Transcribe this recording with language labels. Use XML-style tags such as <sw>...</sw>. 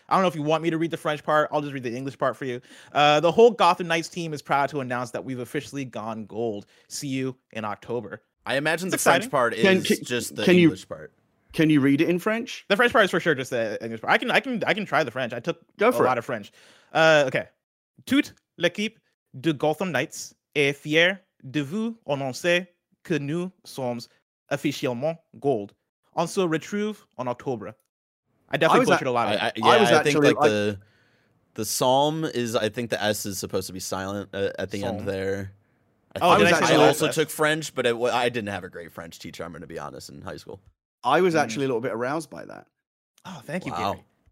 <en>I don't know if you want me to read the French part. I'll just read the English part for you. The whole Gotham Knights team is proud to announce that we've officially gone gold. See you in October. I imagine it's the exciting. French part is just the English part. Can you read it in French? The French part is for sure just the English part. I can try the French. I took lot of French. Okay.</en> <fr>Toute l'équipe de Gotham Knights est fière de vous annoncer que nous sommes officiellement gold. On se retrouve en octobre.</fr> <en>I think the psalm is, I think the S is supposed to be silent at the psalm. End there. I also took French, but I didn't have a great French teacher, I'm going to be honest, in high school. I was actually a little bit aroused by that. Oh, thank you, wow. Gary.</en>